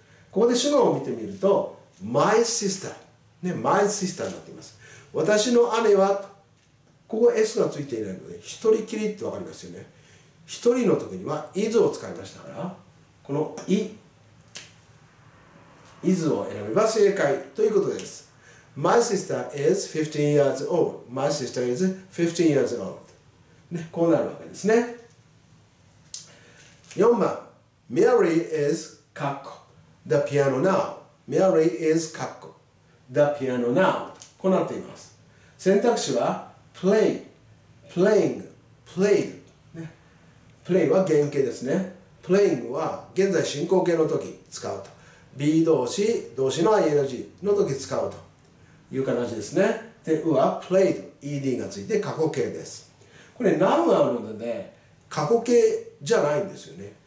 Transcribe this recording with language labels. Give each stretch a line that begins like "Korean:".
Japanese: ここで主語を見てみると
English: my sister、
Japanese: ね、
English: my sister
Japanese: になっています。私の姉は、ここ s がついていないので一人きりってわかりますよね。一人の時には is を使いましたから、この i、 is を選べば正解ということです。
English: my sister is 15 years old、 my sister is 15 years old、
Japanese: ね、こうなるわけですね。 4番、
English: Mary is the piano now、 Mary is the piano now、
Japanese: こうなっています。選択肢は play、 playing、 played、 play は原形ですね。 playing は現在進行形の時使うと、 be 動詞、動詞の ing の時使うという形ですね。で、 u は played、 ed がついて過去形です。これ now があるので、ね、過去形じゃないんですよね。